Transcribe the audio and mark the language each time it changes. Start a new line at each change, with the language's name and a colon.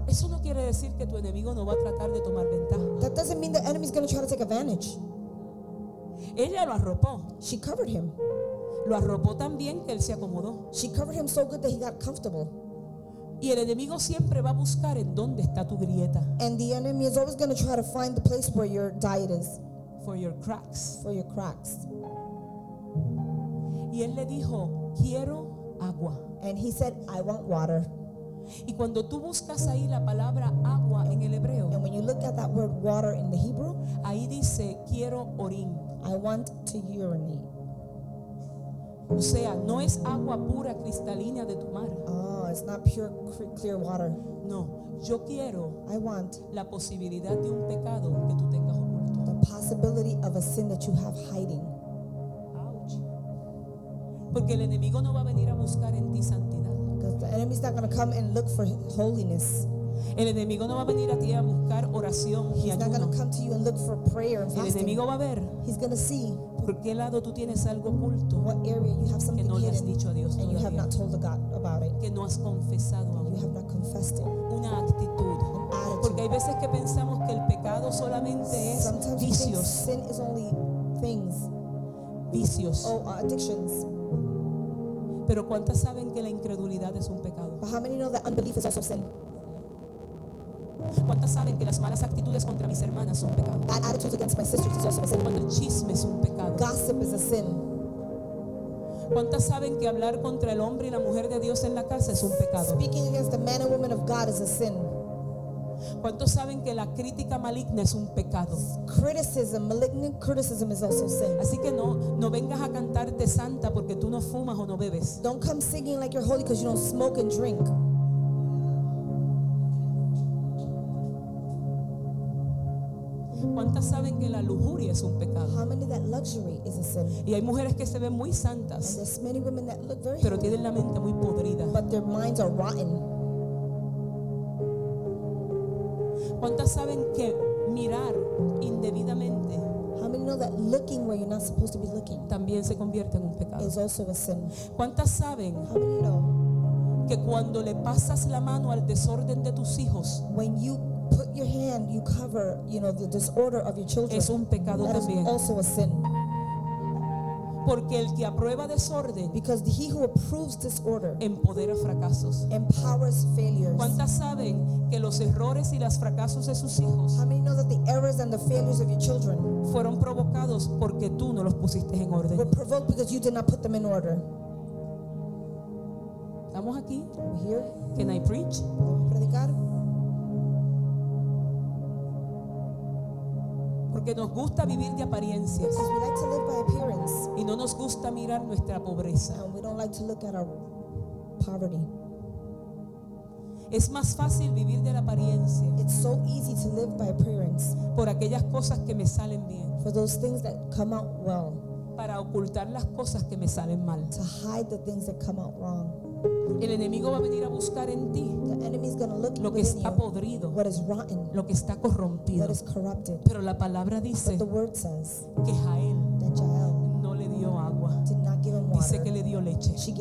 Spanish: Eso no quiere decir que tu enemigo no va a tratar de tomar ventaja.
English: That doesn't mean the enemy is going to try to take advantage.
Spanish: Ella lo arropó.
English: She covered him.
Spanish: Lo arropó tan bien que él se acomodó.
English: She covered him so good that he got comfortable.
Spanish: Y el enemigo siempre va a buscar en dónde está tu grieta.
English: And the enemy is always going to try to find the place where your diet is. For your cracks. For your cracks.
Spanish: Y él le dijo, quiero agua.
English: And he said, I want water.
Spanish: Y cuando tú buscas ahí la palabra agua en el hebreo,
English: and when you look at that word water in the Hebrew,
Spanish: ahí dice, quiero orín.
English: I want to urinate.
Spanish: O sea, no es agua pura cristalina de tu mar.
English: Oh, it's not pure clear water.
Spanish: No, yo quiero,
English: I want
Spanish: la posibilidad de un pecado que tú tengas oculto.
English: The possibility of a sin that you have hiding.
Spanish: Porque el enemigo no va a venir a buscar en ti santidad.
English: Because the enemy is not going to come and look for holiness.
Spanish: El enemigo no va a venir a ti a buscar oración y ayuno.
English: He's not going to come to you and look for prayer and fasting.
Spanish: El enemigo va a ver.
English: He's going to see.
Spanish: ¿Por qué lado tú tienes algo oculto?
English: What area you have something
Spanish: que no le has dicho a Dios todavía.
English: And you have not told God about it.
Spanish: Que no has confesado.
English: You have not confessed it.
Spanish: Una actitud.
English: An attitude.
Spanish: Porque hay veces que pensamos que el pecado solamente es
English: sometimes
Spanish: vicios.
English: You think sin is only things.
Spanish: Vicios.
English: Oh, addictions.
Spanish: Pero ¿cuántas saben que la incredulidad es un pecado?
English: But how many know that unbelief is also sin?
Spanish: ¿Cuántas saben que las malas actitudes contra mis hermanas son pecado?
English: Bad attitudes against my sisters is also sin.
Spanish: Cuando el chisme es un pecado.
English: Gossip is a sin.
Spanish: ¿Cuántas saben que hablar contra el hombre y la mujer de Dios en la casa es un pecado?
English: Speaking against the man and woman of God is a sin.
Spanish: ¿Cuántos saben que la crítica maligna es un pecado?
English: Criticism, malignant criticism is also sin.
Spanish: Así que no vengas a cantarte santa porque tú no fumas o no bebes.
English: Don't come singing like you're holy because you don't smoke and drink.
Spanish: ¿Cuántas saben que la lujuria es un pecado?
English: How many that luxury is a sin?
Spanish: Y hay mujeres que se ven muy santas.
English: And there's many women that look very
Spanish: pero tienen la mente muy podrida.
English: But their minds are rotten.
Spanish: ¿Cuántas saben que mirar indebidamente
English: How many know that looking where you're not supposed to be looking
Spanish: también se convierte en un pecado?
English: Is also a sin.
Spanish: ¿Cuántas saben?
English: How many know?
Spanish: Que cuando le pasas la mano al desorden de tus hijos,
English: when you put your hand, you cover, you know, the disorder of your children,
Spanish: es un pecado también.
English: Also a sin.
Spanish: Porque el que aprueba desorden,
English: because he who approves disorder,
Spanish: empodera fracasos,
English: empowers failures.
Spanish: ¿Cuántas saben que los errores y los fracasos de sus hijos,
English: how many know that the errors and the failures of your children,
Spanish: fueron provocados porque tú no los pusiste en orden,
English: were provoked because you did not put them in order?
Spanish: Estamos aquí.
English: Are we here? Can I preach?
Spanish: ¿Podemos predicar? Porque nos gusta vivir de apariencias.
English: We like to live by appearance.
Spanish: Y no nos gusta mirar nuestra pobreza.
English: And we don't like to look at our poverty.
Spanish: Es más fácil vivir de la apariencia.
English: It's so easy to live by appearance.
Spanish: Por aquellas cosas que me salen bien.
English: For those things that come out well.
Spanish: Para ocultar las cosas que me salen mal.
English: To hide the things that come out wrong.
Spanish: El enemigo va a venir a buscar en ti lo que está podrido,
English: rotten,
Spanish: lo que está corrompido. Pero la palabra dice que Jael no le dio agua, dice que le dio leche.